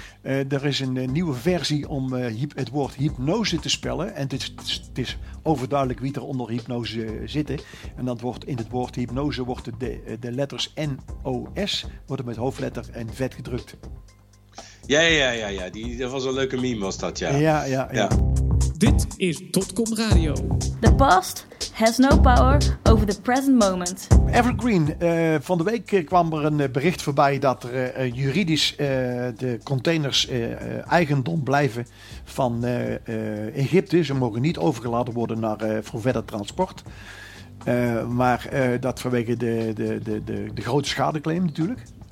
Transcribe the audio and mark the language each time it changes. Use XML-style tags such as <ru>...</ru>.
<nl>Er is een nieuwe versie om het woord hypnose te spellen. En het is overduidelijk wie er onder hypnose zit. En dat wordt in het woord hypnose wordt de letters N-O-S worden met hoofdletter en vet gedrukt. Ja. Dat was een leuke meme, was dat, ja. Ja. Dit is Dotcom Radio.</nl> <en>The past has no power over the present moment.</en> <nl>Evergreen, van de week kwam er een bericht voorbij dat er juridisch de containers eigendom blijven van Egypte. Ze mogen niet overgeladen worden naar voor verder transport. Maar dat vanwege de grote schadeclaim natuurlijk.</nl>